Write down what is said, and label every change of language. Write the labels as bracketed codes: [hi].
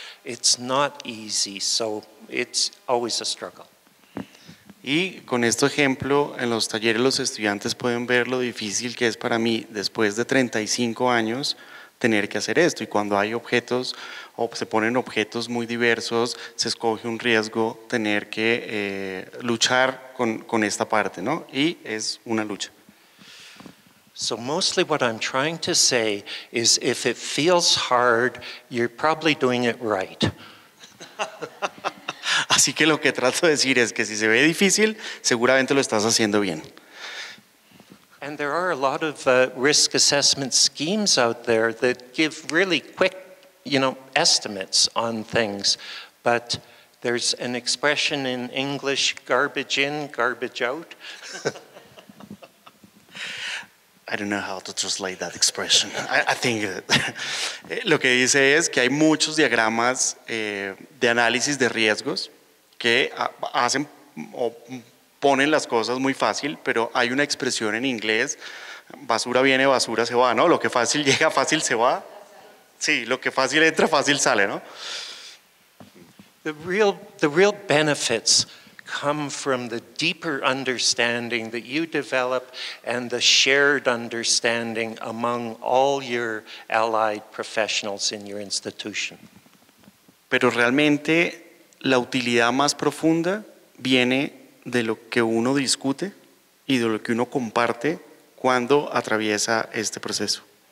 [en] It's not easy, so it's always a struggle. [es] Y con este ejemplo, en los talleres los estudiantes pueden ver lo difícil que es para mí después de 35 años tener que hacer esto. Y cuando hay objetos o se ponen objetos muy diversos, se escoge un riesgo tener que luchar con esta parte, ¿no? Y es una lucha. [en] So mostly what I'm trying to say is if it feels hard, you're probably doing it right. [es] Así que lo que trato de decir es que si se ve difícil, seguramente lo estás haciendo bien. [en] And there are a lot of risk assessment schemes out there that give really quick, you know, estimates on things. But there's an expression in English, garbage in, garbage out. I don't know how to translate that expression. I think that. [es] Lo que dice es que hay muchos diagramas de análisis de riesgos que hacen o ponen las cosas muy fácil, pero hay una expresión en inglés, basura viene, basura se va, ¿no? Lo que fácil llega, fácil se va. Sí, lo que fácil entra, fácil sale, ¿no? [en] The real benefits come from the deeper understanding that you develop and the shared understanding among all your allied professionals in your institution. [es] Pero realmente la utilidad más profunda viene de lo que uno discute y de lo que uno comparte cuando atraviesa este proceso.